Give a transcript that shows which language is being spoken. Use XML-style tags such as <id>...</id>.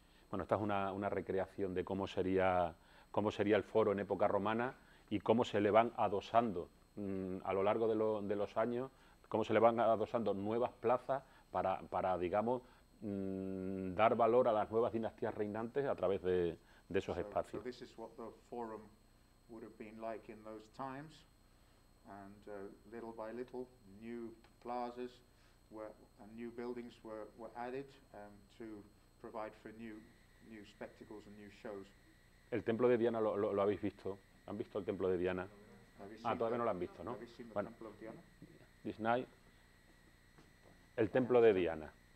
<es>Bueno, esta es una recreación de cómo sería el foro en época romana y cómo se le van adosando a lo largo de los años, cómo se le van adosando nuevas plazas para digamos, dar valor a las nuevas dinastías reinantes a través de esos espacios.</es> <en>So this is what the forum would have been like in those times, and little by little, new plazas and new buildings were added to provide for new spectacles and new shows.</en> <es>El templo de Diana lo habéis visto. ¿Han visto el templo de Diana? Todavía no lo han visto, ¿no? Bueno, Disney, el templo de Diana.</es>